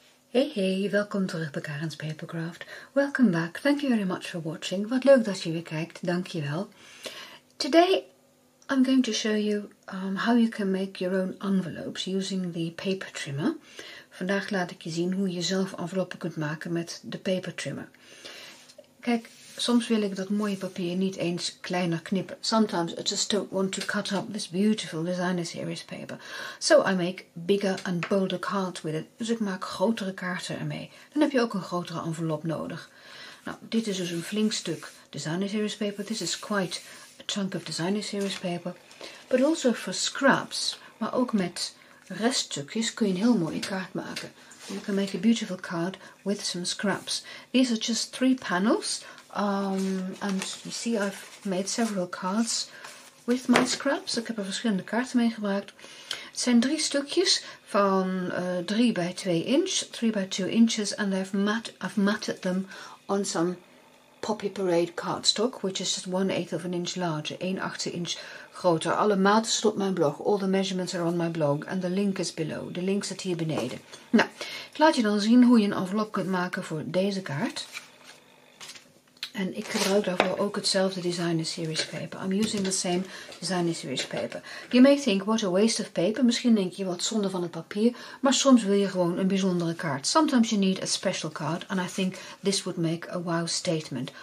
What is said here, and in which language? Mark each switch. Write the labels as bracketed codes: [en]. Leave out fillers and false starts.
[nl] Hey hey, welkom terug bij Karen's Papercraft. [en] Welcome back, thank you very much for watching. [nl] Wat leuk dat je weer kijkt, dankjewel. [en] Today I'm going to show you how you can make your own envelopes using the paper trimmer. [nl] Vandaag laat ik je zien hoe je zelf enveloppen kunt maken met de paper trimmer. Kijk, soms wil ik dat mooie papier niet eens kleiner knippen. [en] Sometimes I just don't want to cut up this beautiful designer series paper. So I make bigger and bolder cards with it. [nl] Dus ik maak grotere kaarten ermee. Dan heb je ook een grotere envelop nodig. Nou, dit is dus een flink stuk designer series paper. [en] This is quite a chunk of designer series paper. But also for scraps, [nl] maar ook met reststukjes kun je een heel mooie kaart maken. [en] You can make a beautiful card with some scraps. These are just three panels. And you see I've made several cards with my scraps. [nl] Ik heb er verschillende kaarten mee gebruikt. Het zijn drie stukjes van 3 bij 2 inch, 3 bij 2 inches. [en] And I've matted them on some Poppy Parade cardstock, which is just 1/8 of an inch larger, [nl] 1/8 inch groter. Alle maten staan op mijn blog. [en] All the measurements are on my blog. And the link is below. [nl] De link staat hier beneden. Nou, ik laat je dan zien hoe je een envelop kunt maken voor deze kaart. En ik gebruik daarvoor ook hetzelfde designer series paper. [en] I'm using the same designer series paper. You may think, what a waste of paper. [nl] Misschien denk je, wat zonde van het papier. Maar soms wil je gewoon een bijzondere kaart. [en] Sometimes you need a special card. And I think this would make a wow statement.